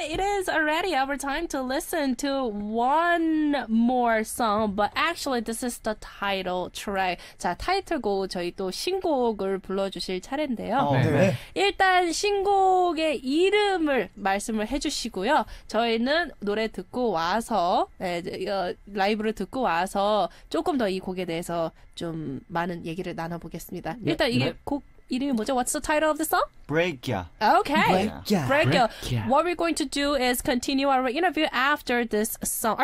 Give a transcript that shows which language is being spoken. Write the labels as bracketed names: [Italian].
[English] It is already our time to listen to one more song, but actually this is the title track. [Korean] 자, 타이틀곡 저희 또 신곡을 불러주실 차례인데요. 네. 일단 신곡의 이름을 말씀을 해주시고요. 저희는 노래 듣고 와서 라이브를 듣고 와서 조금 더 이 곡에 대해서 좀 많은 얘기를 나눠보겠습니다. 일단 이게 곡 이름이 뭐죠? [English] What's the title of the song? Break Ya. Okay. Break Ya. What we're going to do is continue our interview after this song.